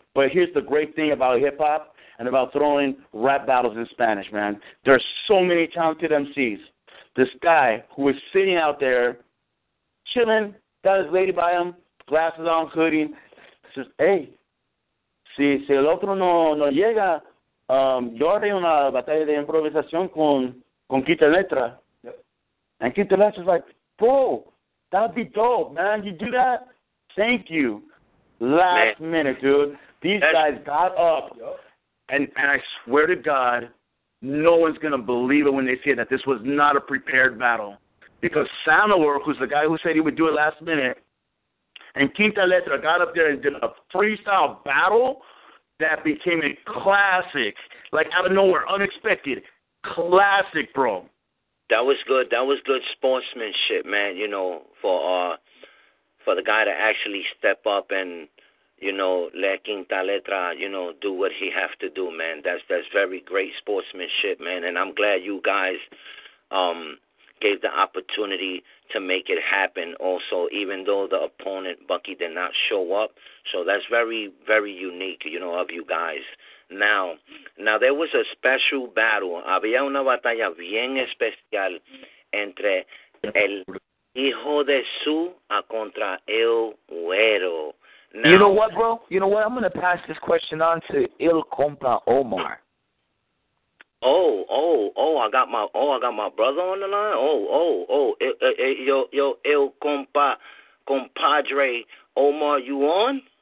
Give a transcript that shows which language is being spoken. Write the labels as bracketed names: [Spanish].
[English] But here's the great thing about hip-hop and about throwing rap battles in Spanish, man. There are so many talented MCs. This guy who was sitting out there, chilling, got his lady by him, glasses on, hoodie, says, hey, [Spanish] si el otro no llega... yo haré una batalla de improvisación con Quinta Letra. [English] Yep. And Quinta Letra's like, bro, that'd be dope, man. You do that? Thank you. Last minute, dude. These guys got up. Yep. And I swear to God, no one's going to believe it when they see it, that this was not a prepared battle. Because Sanawar, who's the guy who said he would do it last minute, and Quinta Letra got up there and did a freestyle battle that became a classic, like out of nowhere, unexpected, classic, bro. That was good. That was good sportsmanship, man, you know, for the guy to actually step up and, you know, let Quinta Letra, you know, do what he have to do, man. That's very great sportsmanship, man. And I'm glad you guys gave the opportunity to make it happen also, even though the opponent, Bucky, did not show up. So that's very, very unique, you know, of you guys. Now there was a special battle. [Spanish] Había una batalla bien especial entre el hijo de su a contra el güero. [English] Now, you know what, bro? You know what? I'm going to pass this question on to El Compa Omar. I got my brother on the line. Yo, El Compa, compadre Omar, you on?